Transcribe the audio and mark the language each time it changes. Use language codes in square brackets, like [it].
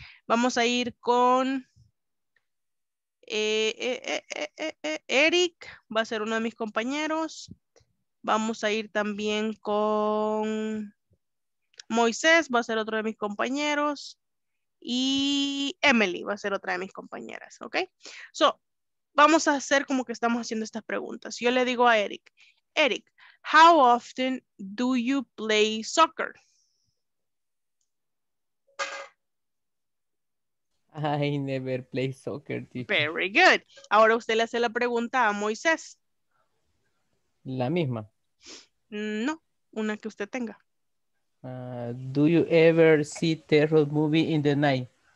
[es] Vamos a ir con Eric, va a ser uno de mis compañeros. Vamos a ir también con Moisés, va a ser otro de mis compañeros. Y Emily va a ser otra de mis compañeras, ¿ok? So, vamos a hacer como que estamos haciendo estas preguntas. Yo le digo a Eric, Eric, [en] how often do you play soccer? I never play soccer, teacher. Very good. [es] Ahora usted le hace la pregunta a Moisés. La misma. No, una que usted tenga. [en] Do you ever see terror movie in the night?